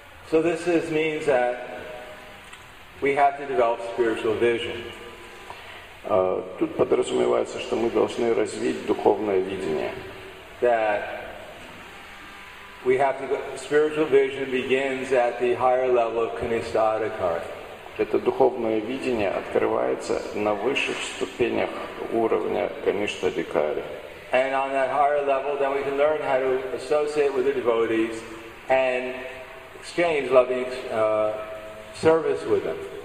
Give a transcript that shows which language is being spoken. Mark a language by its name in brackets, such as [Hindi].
[English] So this is, means that we have to develop spiritual vision. [Russian] Тут подразумевается, что мы должны развить духовное видение. [English] That we have to, spiritual vision begins at the higher level of Kanishka Adhikara. [Russian] Это духовное видение открывается на высших ступенях уровня Kanishka Adhikara. [English] And on that higher level, then we can learn how to associate with the devotees and exchange loving service with them.